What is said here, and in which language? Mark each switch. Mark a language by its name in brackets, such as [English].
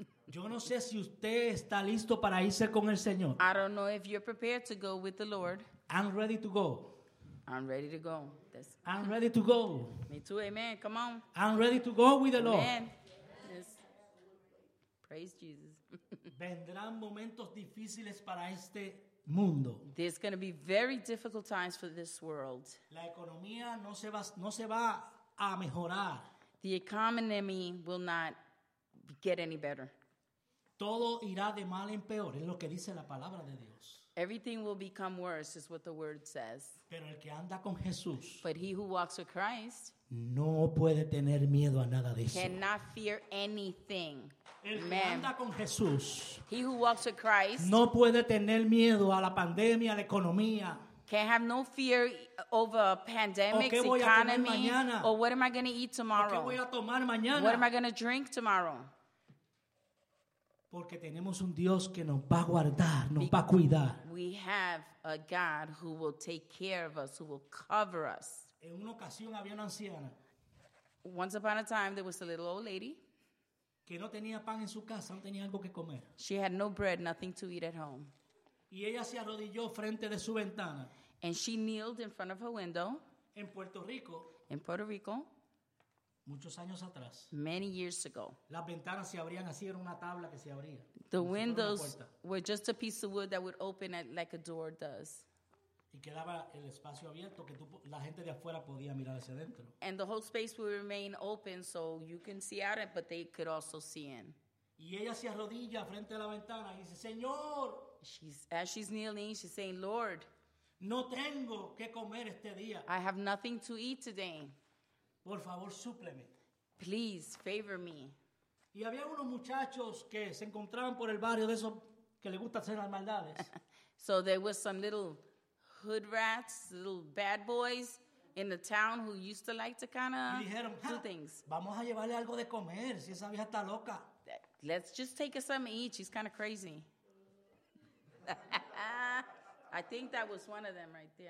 [Spanish] Yo no sé si usted está listo para irse con el Señor. [English] I don't know if you're prepared to go with the Lord. I'm ready to go. I'm ready to go. That's... I'm ready to go. Me too, amen. Come on. I'm ready to go with the Lord. Amen. Yes. Praise Jesus. [Spanish] Vendrán momentos difíciles para este mundo. [English] There's going to be very difficult times for this world. [Spanish] La economía no se va a mejorar. [English] The economy will not get any better. [Spanish] Todo irá de mal en peor, es lo que dice la palabra de Dios. [English] Everything will become worse, is what the word says. [Spanish] Pero el que anda con Jesús, [English] but he who walks with Christ, [Spanish] no puede tener miedo a nada de eso. [English] Cannot fear anything. [Spanish] El que anda con Jesús, [English] he who walks with Christ, [Spanish] no puede tener miedo a la pandemia, a la economía. [English] Can have no fear over pandemics, [Spanish] o qué voy [English] economy, [Spanish] a comer mañana, [English] or what am I going to eat tomorrow? [Spanish] O qué voy a tomar mañana, [English] what am I going to drink tomorrow? [Spanish] Porque tenemos un Dios que nos va a guardar, nos va a cuidar. [English] We have a God who will take care of us, who will cover us. [Spanish] En una ocasión había una anciana. [English] Once upon a time, there was a little old lady. [Spanish] Que no tenía pan en su casa, no tenía algo que comer. [English] She had no bread, nothing to eat at home. [Spanish] Y ella se arrodilló frente de su ventana. [English] And she kneeled in front of her window. [Spanish] En Puerto Rico. [English] In Puerto Rico. [Spanish] Muchos años atrás. [English] Many years ago. [Spanish] Las ventanas se abrían así, era una tabla que se abría. [English] The windows were just a piece of wood that would open it like a door does. [Spanish] Y quedaba el espacio abierto que la gente de afuera podía mirar hacia adentro. [English] And the whole space would remain open so you can see out it, but they could also see in. [Spanish] Y ella se arrodilla frente a la ventana y dice, Señor. [English] As she's kneeling, she's saying, Lord. [Spanish] No tengo que comer este día. [English] I have nothing to eat today. [Spanish] Por favor, súpleme. [English] Please, favor me. [Spanish] Y había unos muchachos que se encontraban por el barrio de esos que les gusta hacer las maldades. [English] So there was some little hood rats, little bad boys in the town who used to like to kind of do things. [Spanish] Vamos a llevarle algo de comer, si esa vieja está loca. [English] Let's just take her something to eat. She's kind of crazy. I think that was one of them right there.